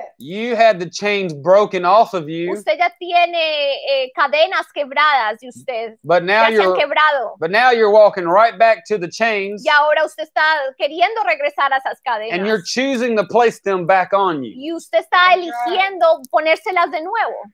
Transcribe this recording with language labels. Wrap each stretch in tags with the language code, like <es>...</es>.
<en>You had the chains broken off of you.</en> <es>Usted ya tiene cadenas quebradas de usted.</es> <en>But now</en> <es>ya</es> <en>you're</en> <es>quebrado.</es> <en>But now you're walking right back to the chains.</en> <es>Y ahora usted está queriendo regresar a esas cadenas.</es> <en>And you're choosing to place them back on you.</en> <es>Y usted está eligiendo ponérselas de nuevo.</es>